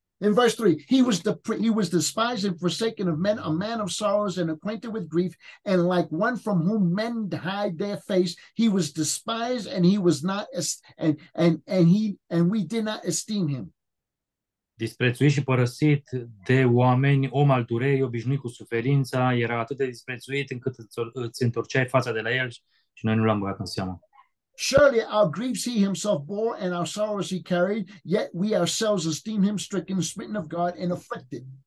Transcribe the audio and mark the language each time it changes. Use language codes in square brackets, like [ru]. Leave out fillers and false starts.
[en] In verse 3, he was despised and forsaken of men, a man of sorrows and acquainted with grief, and like one from whom men hide their face, he was despised and he was not, and we did not esteem him. [ro] Disprețuit și părăsit de oameni, om al durerii, obișnuit cu suferința, era atât de disprețuit încât îți întorceai fața de la el și noi nu l-am băgat în seamă. [en] Surely our griefs he himself bore and our sorrows he carried, yet we ourselves esteem him stricken, smitten of God and afflicted.